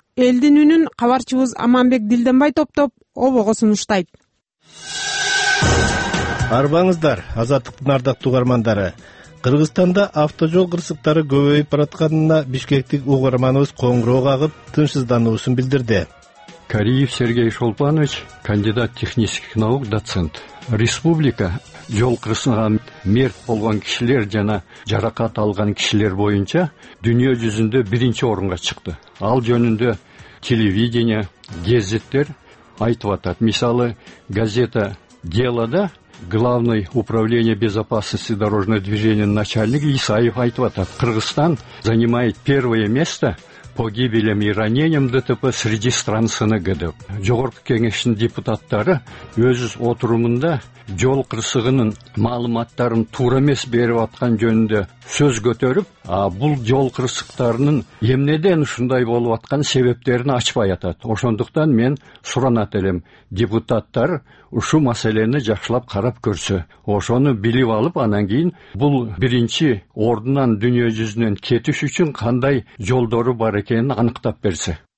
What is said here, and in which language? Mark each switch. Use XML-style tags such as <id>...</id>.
<ky>Элдин үнүн кабарчыбыз Аманбек Дилденбай топтоп обого сунуштайт. Арбаңыздар, азаттыктын ардактуу угармандары. Кыргызстанда автожол кырсыктары көбөйүп баратканына бишкектик угарманыбыз коңгуроо кагып тынчсыздануусун билдирди.</ky> <ru>Кариев Сергей Шолпанович, кандидат технических наук, доцент.</ru> <ky>Республика жол кырсыгынан мерт болгон кишилер жана жаракат алган кишилер боюнча дүйнө жүзүндө биринчи орунга чыкты. Ал жөнүндө телевидение, газеттер айтып атат. Мисалы,</ky> <ru>газета «Дело»да Главный управление безопасности дорожного движения начальник Исаев</ru> <ky>айтып атат.</ky> <ru>Кыргызстан занимает первое место погибелем и ранением ДТП среди стран СНГ-дып.</ru> <ky>Жогорку кеңештин депутаттары өз отурумунда жол кырсыгынын маалыматтарын туура эмес берип аткан жөнүндө сөз көтөрүп, а бул жол кырсыктарынын эмнеден ушундай болуп аткан себептерин ачпай атат. Ошондуктан мен суранат элем, депутаттар ушул маселени жакшылап карап көрсө, ошону билип алып, анан кийин бул биринчи ордунан дүйнө жүзүнөн кетиш үчүн кандай жолдору бар экенин аныктап берсе.</ky>